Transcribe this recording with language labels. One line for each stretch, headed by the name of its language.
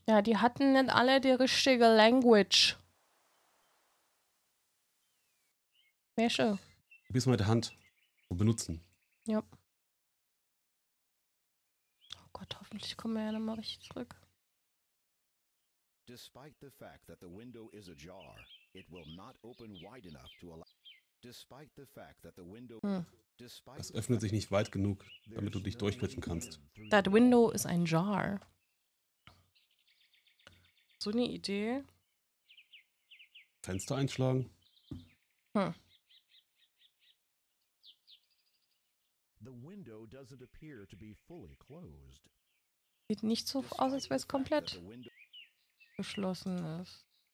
German: Ja, die hatten nicht alle die richtige Language. Wäsche. Probier's mal mit der Hand und benutzen. Ja. Oh Gott, hoffentlich kommen wir ja nochmal richtig zurück.
English: Despite the fact that the window is ajar, it will not open wide enough to allow. Despite the fact that the window.
German: Es öffnet sich nicht weit genug, damit du dich durchbrechen kannst.
English: That window is ein jar.
German: So eine Idee. Fenster einschlagen?
English: The window doesn't appear to be fully closed.
German: Sieht nicht so aus, als wäre es komplett geschlossen ist.